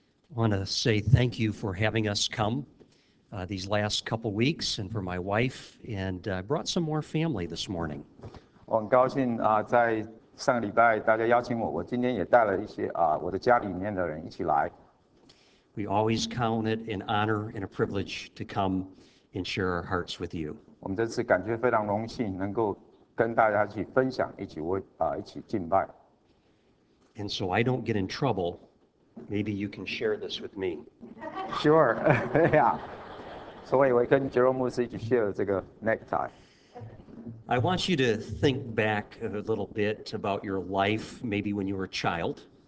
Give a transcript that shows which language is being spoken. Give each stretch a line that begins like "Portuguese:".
English: I want to say thank you for having us come these last couple weeks, and for my wife, and I brought some more family this morning.
Chinese: 我很高兴在上个礼拜大家邀请我，我今天也带了一些我的家里面的人一起来。
English: We always count it an honor and a privilege to come and share our hearts with you.
Chinese: 我们这次感觉非常荣幸能够跟大家一起分享，一起敬拜。
English: And so I don't get in trouble. Maybe you can share this with me. Sure, yeah. So anyway, can Jerome share this necktie? I want you to think back a little bit about your life, maybe when you were a child.